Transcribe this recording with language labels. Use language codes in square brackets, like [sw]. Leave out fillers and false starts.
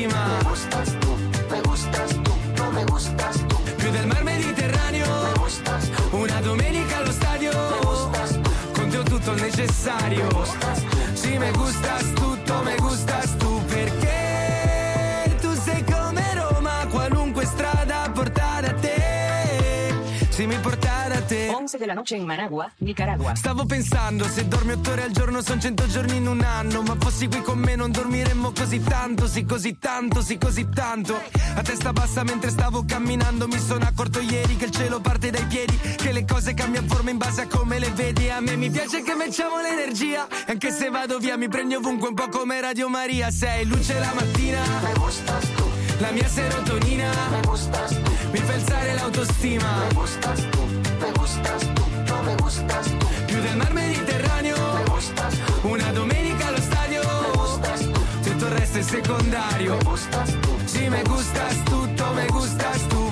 [es] Me gustas tú, no me gustas tú. [it] Più del mar Mediterraneo. [es] Me gustas tú. [it] Una domenica allo stadio. [es] Me gustas tú. [it] Conto tutto il necessario. [es] Me gustas tú. Sì, me gustas tú, tú, me gustas tú. [it] Perché tu sei come Roma, qualunque strada porta da te. Sì, mi porta. [es] 11 della noche in Managua, Nicaragua. [it] Stavo pensando, se dormi 8 ore al giorno son 100 giorni in un anno. Ma fossi qui con me non dormiremmo così tanto. Sì così tanto, sì così tanto. A testa bassa mentre stavo camminando. Mi sono accorto ieri che il cielo parte dai piedi. Che le cose cambiano forma in base a come le vedi. A me mi piace che mettiamo l'energia. Anche se vado via mi prendi ovunque un po' come Radio Maria. Sei luce la mattina. [es] Me gustas tu. [it] La mia serotonina. [es] Me gustas tu. [it] Mi fa alzare l'autostima. [es] Me gustas tu. Me gustas tú, no me gustas tú. [it] Più del mar Mediterráneo. [es] Me gustas tú. [it] Una domenica allo stadio. [es] Me gustas tú. [it] Tutto il resto è secondario. [es] Me gustas tú. Sí, me gustas tú, no me gustas tú.